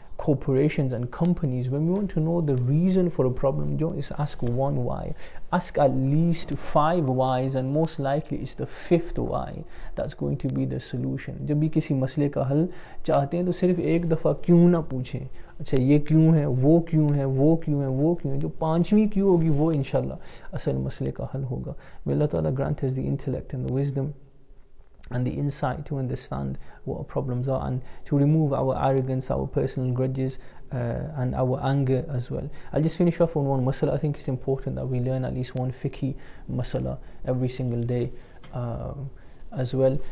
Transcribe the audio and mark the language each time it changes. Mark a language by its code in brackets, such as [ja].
[en] corporations and companies, when we want to know the reason for a problem, don't just ask one why. Ask at least five whys, and most likely it's the fifth why that's going to be the solution. [ur] جب بھی کسی مسئلے کا حل چاہتے ہیں تو صرف ایک دفعہ کیوں نہ پوچھیں. اچھا یہ کیوں ہے, وہ کیوں ہے, وہ کیوں ہے, وہ کیوں ہے. جو پانچویں کیوں ہوگی وہ انشاءاللہ اصل مسئلے کا حل ہوگا. [en] May Allah Ta'ala grant us the intellect and the wisdom and the insight to understand what our problems are, and to remove our arrogance, our personal grudges, and our anger as well. I'll just finish off on one masala. I think it's important that we learn at least one fiqhi masala every single day as well.